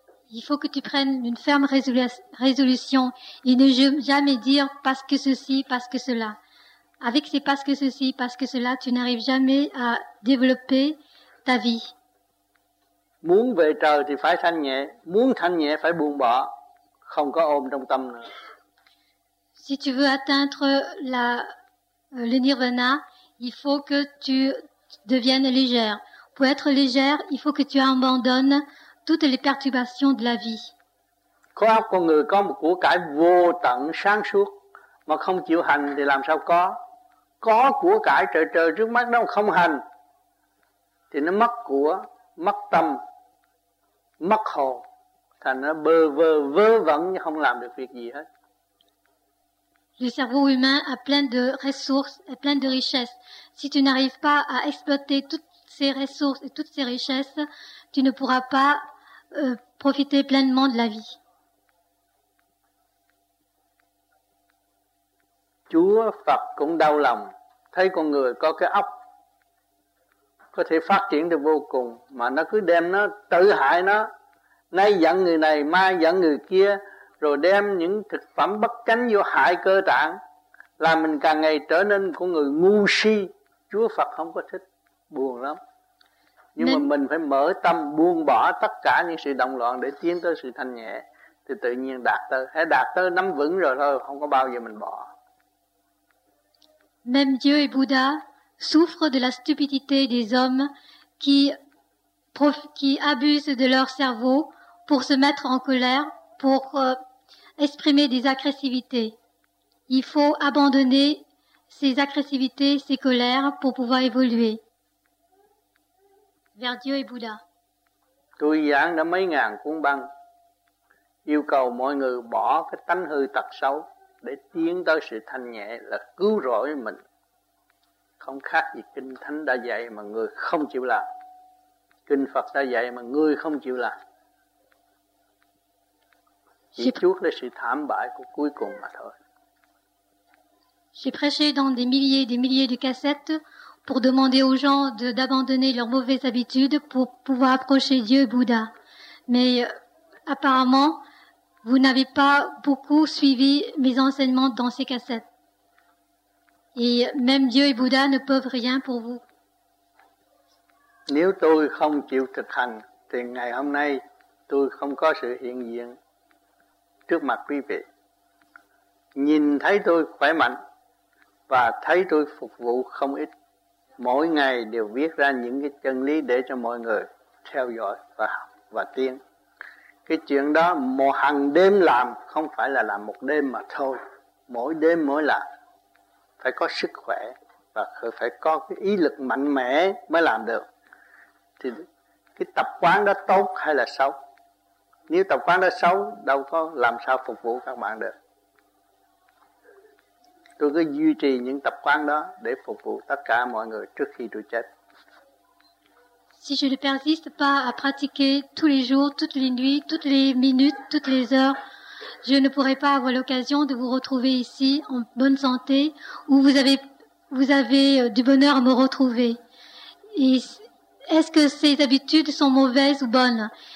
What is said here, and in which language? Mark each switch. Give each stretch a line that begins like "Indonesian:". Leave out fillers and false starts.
French: Il faut que tu prennes une ferme résolution et ne jamais dire parce que ceci, parce que cela. Avec ces parce que ceci, parce que cela, tu n'arrives jamais à développer ta vie.
Vietnamese: Muốn về trời thì phải thanh nhẹ, muốn thanh nhẹ phải buông bỏ, không có ôm trong tâm nữa.
French: Si tu veux atteindre le nirvana, il faut que tu deviennes légère. Pour être légère, il faut que tu abandonnes toutes les perturbations de la vie.
Vietnamese: Có óc con người có một của cải vô tận sáng suốt, mà không chịu hành thì làm sao có? Có của cải trời trời trước mắt đó mà không hành, thì nó mất của, mất tâm, mất hồn, thành nó bơ vơ vơ vẩn như không làm được việc gì hết.
French: Le cerveau humain a plein de ressources, a plein de richesses. Si tu n'arrives pas à exploiter toutes ces ressources et toutes ces richesses, tu ne pourras pas profiter pleinement de la vie.
Vietnamese: Chúa Phật cũng đau lòng thấy con người có cái óc có thể phát triển được vô cùng mà nó cứ đem nó tự hại nó, nay giận người này mai giận người kia, rồi đem những thực phẩm bất chánh vô hại cơ tạng, làm mình càng ngày trở nên con người ngu si. Chúa Phật không có thích, buồn lắm. Nhưng mà mình phải mở tâm buông bỏ tất cả những sự động loạn để tiến tới sự thanh nhẹ. Thì tự nhiên đạt tới, hãy đạt tới nắm vững rồi thôi, không có bao giờ mình bỏ.
French: Même Dieu et Bouddha souffrent de la stupidité des hommes qui abusent de leur cerveau pour se mettre en colère, pour exprimer des agressivités. Il faut abandonner ces agressivités, ces colères pour pouvoir évoluer. Vers Dieu et Bouddha.
Vietnamese: Tôi giảng đã mấy ngàn cuốn băng, yêu cầu mọi người bỏ cái tánh hư tật xấu để tiến tới sự thanh nhẹ là cứu rỗi mình. Không khác gì kinh thánh đã dạy mà người không chịu làm. Kinh Phật đã dạy mà người không chịu làm. Chỉ chuốc là sự thảm bại của cuối cùng mà thôi.
French: J'ai prêché dans des milliers de cassettes pour demander aux gens d'abandonner leurs mauvaises habitudes pour pouvoir approcher Dieu et Bouddha. Mais apparemment, vous n'avez pas beaucoup suivi mes enseignements dans ces cassettes. Et même Dieu et Bouddha ne peuvent rien pour vous.
Vietnamese: Nếu tôi không chịu thực hành, thì ngày hôm nay tôi không có sự hiện diện trước mặt quý vị. Nhìn thấy tôi khỏe mạnh và thấy tôi phục vụ không ít. Mỗi ngày đều viết ra những cái chân lý để cho mọi người theo dõi và học và tiến. Cái chuyện đó một hàng đêm làm, không phải là làm một đêm mà thôi. Mỗi đêm mỗi làm, phải có sức khỏe và phải có cái ý lực mạnh mẽ mới làm được. Thì cái tập quán đó tốt hay là xấu? Nếu tập quán đó xấu, đâu có làm sao phục vụ các bạn được. Tôi cứ duy trì những tập quán đó để phục vụ tất cả mọi người trước khi tôi chết.
French: Si je ne persiste pas à pratiquer tous les jours, toutes les nuits, toutes les minutes, toutes les heures, je ne pourrai pas avoir l'occasion de vous retrouver ici en bonne santé où vous avez du bonheur à me retrouver. Et est-ce que ces habitudes sont mauvaises ou bonnes?